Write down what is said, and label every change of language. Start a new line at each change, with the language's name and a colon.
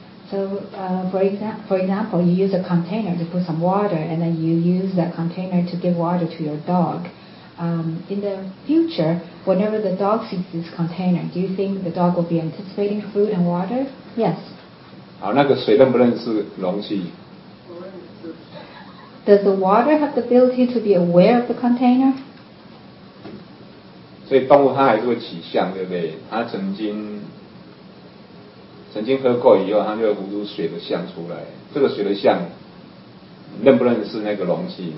English: So for example, you use a container to put some water, and then you use that container to give water to your dog. In the future, whenever the dog sees this container, do you think the dog will be anticipating food and water? Yes.
Chinese: 好，那个水认不认识容器？
English: Does the water have the ability to be aware of the container?
Chinese: 所以动物它还是会起象，对不对？它曾经喝过以后，它就会浮出水的像出来。这个水的像，认不认识那个容器？